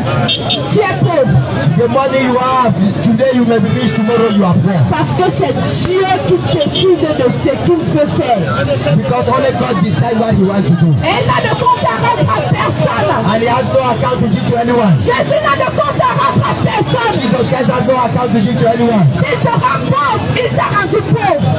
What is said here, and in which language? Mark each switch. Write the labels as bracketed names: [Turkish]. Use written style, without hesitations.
[English] The money you have, today you may be rich, tomorrow you are poor. [French] Parce que c'est Dieu qui décide de ce qu'il veut faire. [English] Because only God decides what he wants to do. And he has no account to give to anyone. [French] Jésus n'a de compte à rendre à personne. [English] Jesus Christ has no account to give to anyone. [French] Il te rend pauvre, il t'a rendu pauvre.